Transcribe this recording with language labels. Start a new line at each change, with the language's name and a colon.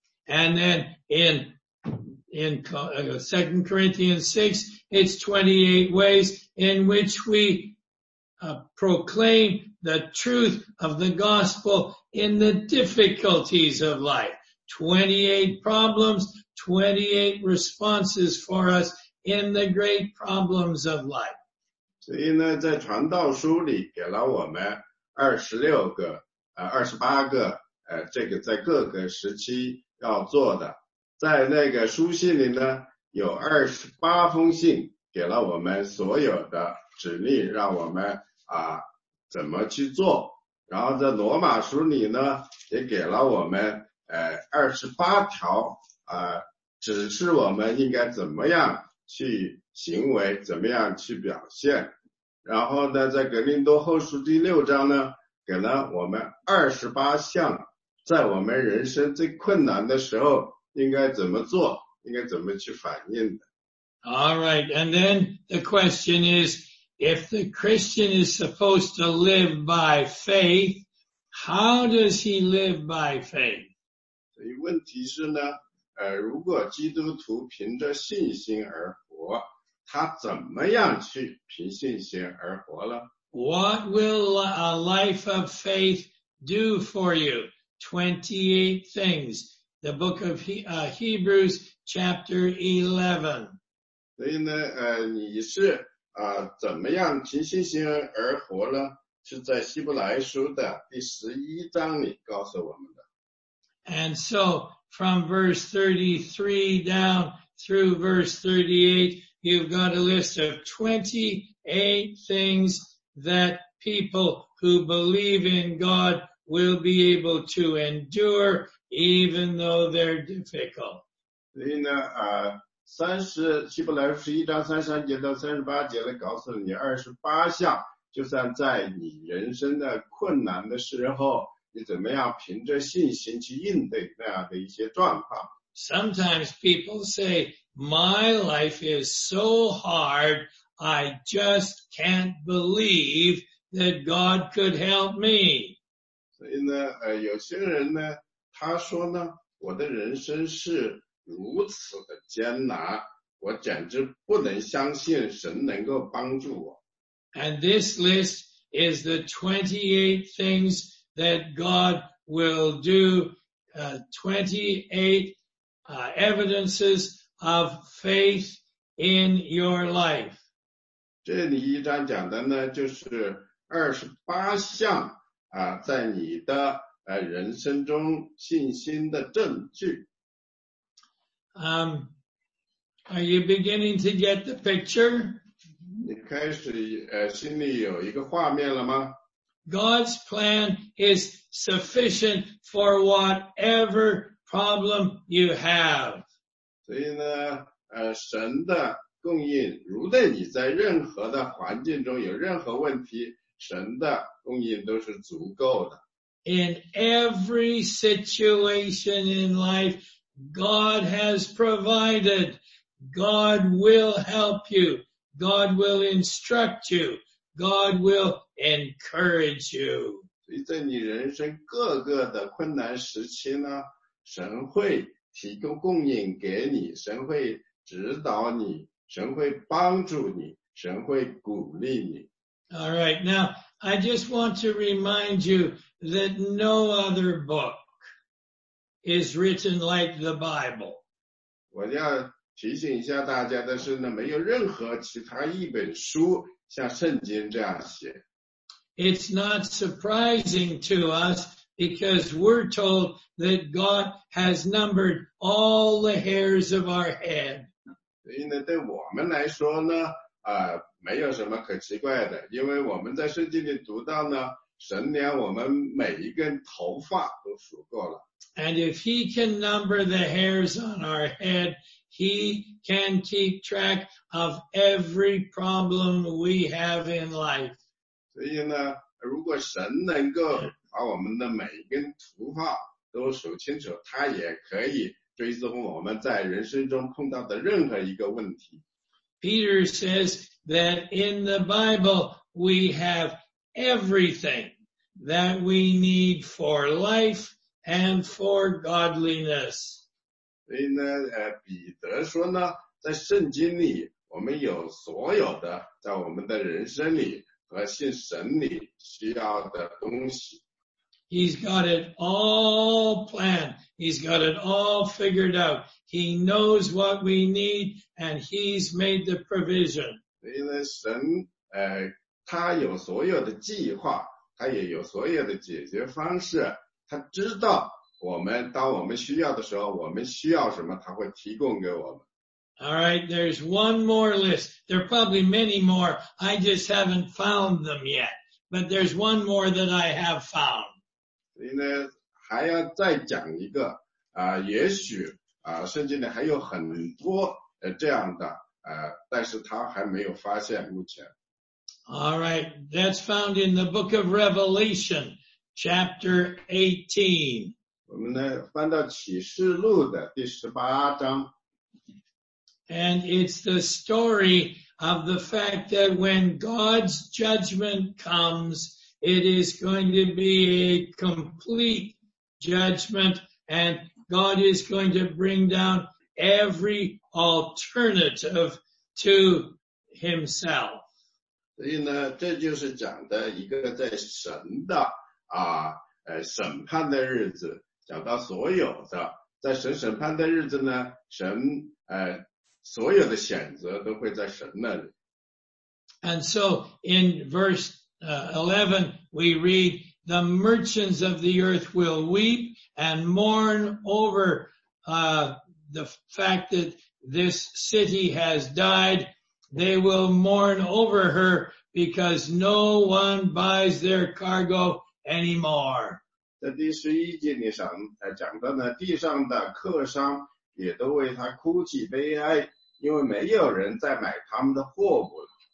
English: And then in 2 Corinthians 6, it's 28 ways in which we proclaim the truth of the gospel in the difficulties of life. 28 problems, 28 responses for us in the great problems of life.
Chinese: 所以呢，在传道书里给了我们28个，这个在各个时期要做的。在那个书信里呢，有28封信给了我们所有的指令，让我们怎么去做。然后在罗马书里呢，也给了我们28条指示我们应该怎么样去行为，怎么样去表现。然后呢，在格林多后书第六章呢，给了我们28项，在我们人生最困难的时候应该怎么做，应该怎么去反应的。
English: All right, and then the question is, if the Christian is supposed to live by faith, how does he live by faith?
Chinese: 所以问题是呢，如果基督徒凭着信心而活，他怎么样去凭信心而活了？
English: What will a life of faith do for you? 28 things. The book of Hebrews chapter 11.
Chinese: 所以呢，你是怎么样凭信心而活了？是在希伯来书的第11章里告诉我们的。
English: And so, from verse 33 down through verse 38,You've got a list of 28 things that people who believe in God will be able to endure even though they're difficult.
Chinese: 所以呢，希伯来书11章33节到38节呢，告诉你28项，就算在你人生的困难的时候，你怎么样凭着信心去应对那样的一些状况。
English: Sometimes people say, my life is so hard, I just can't believe that God could help me.
Chinese: 所以呢，有些人呢，他说呢，我的人生是如此的艰难，我简直不能相信神能够帮助我。
English: And this list is the 28 things that God will do, 28evidences of faith in your life.
Chinese: 这里一章讲的呢，就是28项在你的人生中信心的证据。
English: Are you beginning to get the picture?
Chinese: 你开始心里有一个画面了吗？
English: God's plan is sufficient for whatever problem you have.
Chinese: 所以呢，神的供应，如对你在任何的环境中有任何问题，神的供应都是足够的。
English: In every situation in life, God has provided. God will help you. God will instruct you. God will encourage you.
Chinese: 所以在你人生各个的困难时期呢，神会提供供应给你，神会指导你，神会帮助你，神会鼓励你。
English: All right, now I just want to remind you that no other book is written like the Bible.
Chinese: 我要提醒一下大家的是呢，没有任何其他一本书像圣经这样写。
English: It's not surprising to us. Because we're told that God has numbered all the hairs of our head.
Chinese: 所以呢，对我们来说呢，没有什么可奇怪的，因为我们在圣经里读到呢，神连我们每一根头发都数过了。
English: And if he can number the hairs on our head, he can keep track of every problem we have in life.
Chinese: 所以呢，如果神能够把我们的每一根头发都数清楚，他也可以追踪我们在人生中碰到的任何一个问题。
English: Peter says that in the Bible we have everything that we need for life and for godliness.
Chinese: 所以呢，彼得说呢，在圣经里我们有所有的在我们的人生里和信神里需要的东西。
English: He's got it all planned. He's got it all figured out. He knows what we need and he's made the provision.
Chinese: 所以呢，神，他有所有的计划，他也有所有的解决方式，他知道我们，当我们需要的时候，我们需要什么，他会提供给我们。
English: Alright, there's one more list. There are probably many more. I just haven't found them yet. But there's one more that I have found.
Chinese: 所以呢，还要再讲一个，也许，圣经里还有很多，这样的，但是他还没有发现目前。
English: Alright, that's found in the book of Revelation, chapter 18.
Chinese: 我们呢，翻到启示录的第十八章。
English: And it's the story of the fact that when God's judgment comes, it is going to be a complete judgment, and God is going to bring down every alternative to himself.
Chinese: 所以呢，这就是讲的一个在神的审判的日子，讲到所有的在神审判的日子呢，神所有的选择都会在神那里。
English: And so in verse 11, we read, the merchants of the earth will weep and mourn over the fact that this city has died. They will mourn over her because no one buys their cargo anymore.
Chinese: 在第十一节里上讲到呢，地上的客商也都为他哭泣悲哀。因为没有人再买他们的货物了。